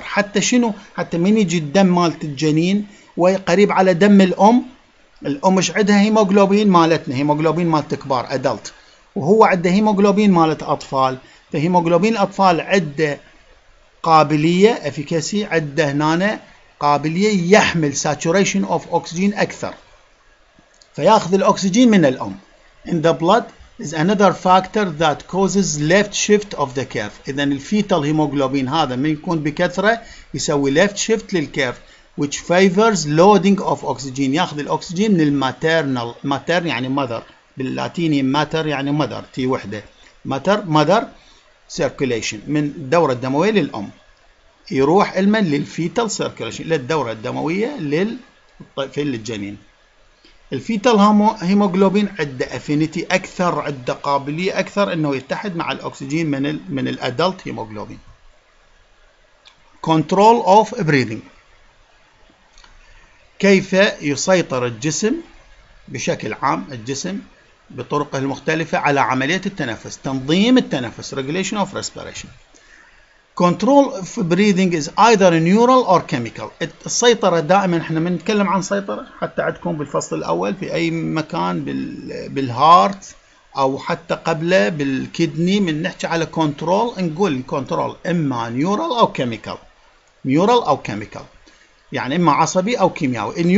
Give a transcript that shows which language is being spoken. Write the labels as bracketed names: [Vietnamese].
[Arabic] حتى شنو؟ حتى من يجي الدم مالت الجنين وقريب على دم الام، الام ايش عندها؟ هيموغلوبين مالتنا، هيموغلوبين مالت كبار ادلت، وهو عنده هيموغلوبين مالت اطفال. فهيموغلوبين الاطفال عنده قابليه افيكاسي، عنده هنا قابليه يحمل ساتوريشن اوف اوكسجين اكثر، فياخذ الاكسجين من الام. [English] In the blood is another factor that causes left shift of the curve. [Arabic] اذا الفيتال هيموغلوبين هذا من يكون بكثره يسوي left shift للكيرف، [English] which favors loading of oxygen، [Arabic] ياخذ الاكسجين من الماترنال. ماتر يعني mother، باللاتيني ماتر يعني mother، تي وحده ماتر mother circulation، من الدوره الدمويه للام يروح المن للفيتال سيركيليشن، للدوره الدمويه للطفل الجنين. الفيتال هيموغلوبين عند افينيتي اكثر، عند قابليه اكثر انه يتحد مع الاكسجين من الادلت هيموغلوبين. كنترول اوف بريذنج، كيف يسيطر الجسم بشكل عام، الجسم بطرقه المختلفه على عمليه التنفس، تنظيم التنفس ريجوليشن اوف ريسبيريشن. [English] Control of breathing is either neural or chemical. [Arabic] السيطرة دائما، احنا من نتكلم عن سيطرة حتى عندكم بالفصل الأول في أي مكان بالهارت أو حتى قبله بالكيدني، من نحكي على control نقول control إما neural أو chemical. Neural أو chemical يعني إما عصبي أو كيميائي.